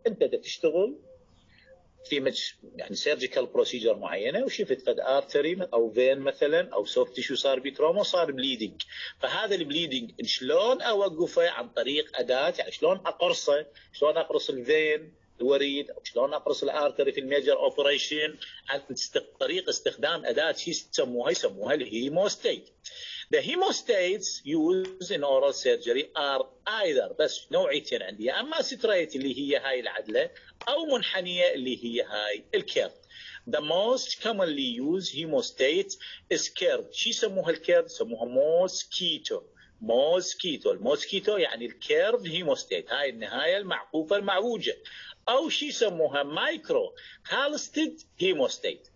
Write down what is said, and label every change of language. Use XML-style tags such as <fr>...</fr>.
<ar>أنت دا تشتغل في يعني سيرجيكال بروسيجر معينه وشفت فد ارتري او فين مثلا او سوفت تيشو صار بيتروما صار بليدنج، فهذا البليدنج شلون اوقفه عن طريق اداه يعني شلون اقرصه، شلون اقرص الفين الوريد او شلون اقرص الارتري في الميجر اوبريشن عن طريق استخدام اداه يسموها الهيموستيت.</ar> <en>The hemostates used in oral surgery are either</en> <ar>بس نوعيتين عندي يا اما سترايت اللي هي هاي العدله او منحنيه اللي هي هاي الكيرف.</ar> <en>The most commonly used hemostate is curved.</en> <ar>شو يسموها الكيرف؟ يسموها موسكيتو. موسكيتو الموسكيتو يعني الكيرف هيموستيت هاي النهايه المعقوفه المعوجه. او شو يسموها مايكرو هالستيد هيموستيت.</ar>